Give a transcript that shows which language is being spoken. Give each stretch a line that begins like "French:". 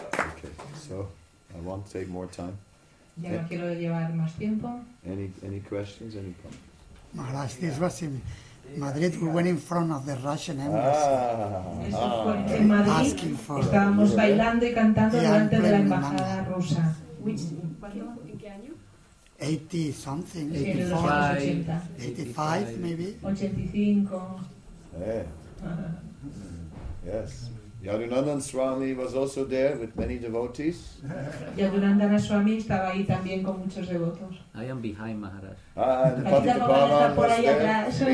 English: Okay, so I won't take more time.
Spanish: Ya no quiero llevar más tiempo.
English: Any questions? Any comments? Maharaj, this was in Madrid. We went in front of the Russian embassy.
Spanish: En Madrid.
English: Asking for.
Spanish: Estábamos bailando y cantando delante de la embajada rusa. ¿Qué año?
English: 80 something. 85 maybe. 85. Yes, Yadunandan Swami was also there with many devotees.
Spanish: Yadunandan Swami estaba ahí también con muchos devotos.
English: I am behind Maharaj. Ah, the Patita Pavan was there.